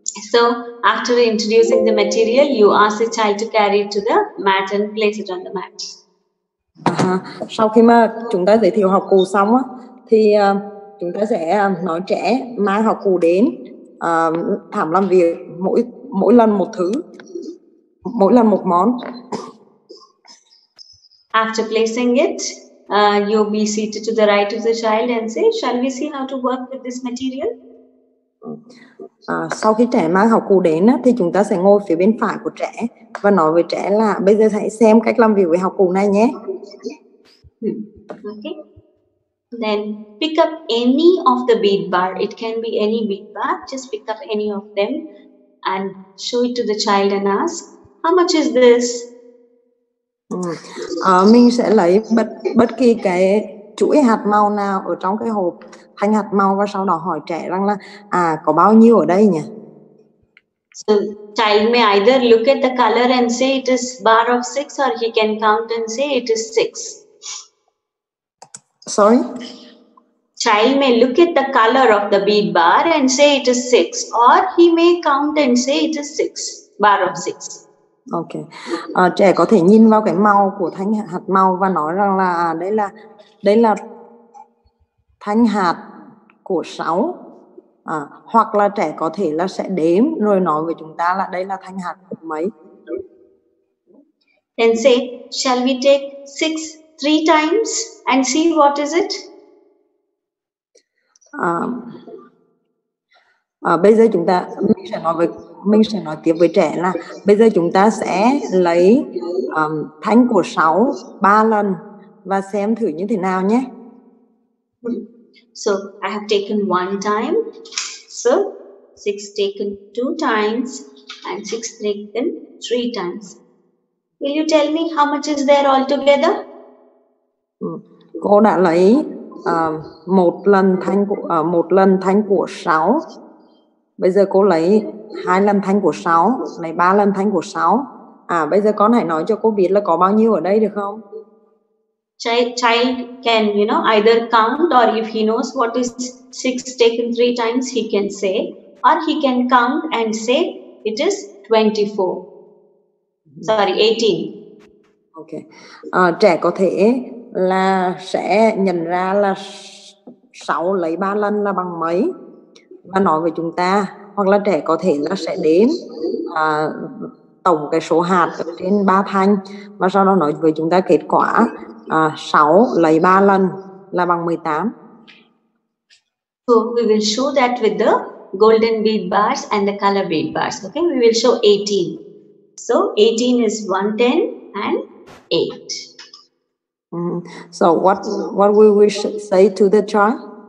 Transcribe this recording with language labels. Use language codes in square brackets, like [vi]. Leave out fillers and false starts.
[en] So after introducing the material, you ask the child to carry it to the mat and place it on the mat. [vi] Sau khi mà chúng ta giới thiệu học cụ xong á, thì chúng ta sẽ nói trẻ mang học cụ đến thảm làm việc mỗi lần một thứ, mỗi lần một món. [en] After placing it, you'll be seated to the right of the child and say, "Shall we see how to work with this material?" [vi] Sau khi trẻ mang học cụ đến thì chúng ta sẽ ngồi phía bên phải của trẻ và nói với trẻ là bây giờ hãy xem cách làm việc với học cụ này nhé. [en] Okay. Then pick up any of the bead bar. It can be any bead bar. Just pick up any of them and show it to the child and ask, how much is this? [vi] Mình sẽ lấy bất kỳ cái chuỗi hạt màu nào ở trong cái hộp thanh hạt màu và sau đó hỏi trẻ rằng là à, có bao nhiêu ở đây nhỉ? [en] So, child may either look at the color and say it is bar of six or he can count and say it is six. Sorry? Child may look at the color of the bead bar and say it is six or he may count and say it is six, bar of six. Okay. [vi] Trẻ có thể nhìn vào cái màu của thanh hạt màu và nói rằng là à, đây là thanh hạt của 6. Hoặc là trẻ có thể là sẽ đếm rồi nói với chúng ta là đây là thanh hạt của mấy. [en] Then say, shall we take 6 three times and see what is it? [vi] Bây giờ chúng ta mình sẽ nói tiếp với trẻ là bây giờ chúng ta sẽ lấy thanh của 6 3 lần và xem thử như thế nào nhé. [en] So I have taken one time. So 6 taken two times and 6 taken three times. Will you tell me how much is there altogether? [vi] Cô đã lấy một lần thanh của 6. Bây giờ cô lấy 2 lần thanh của 6, lấy 3 lần thanh của 6. Bây giờ con hãy nói cho cô biết là có bao nhiêu ở đây được không? [en] Child can, you know, either count or if he knows what is 6 taken 3 times, he can say. Or he can count and say it is 24. Mm-hmm. Sorry, 18. [vi] Okay. Trẻ có thể là sẽ nhận ra là 6 lấy 3 lần là bằng mấy và nói với chúng ta, hoặc là trẻ có thể là sẽ đếm tổng cái số hạt ở trên 3 thanh và sau đó nói với chúng ta kết quả 6 lấy 3 lần là bằng 18. [en] So we will show that with the golden bead bars and the color bead bars. Okay, we will show 18. So 18 is 110 and 8. So what we will say to the child?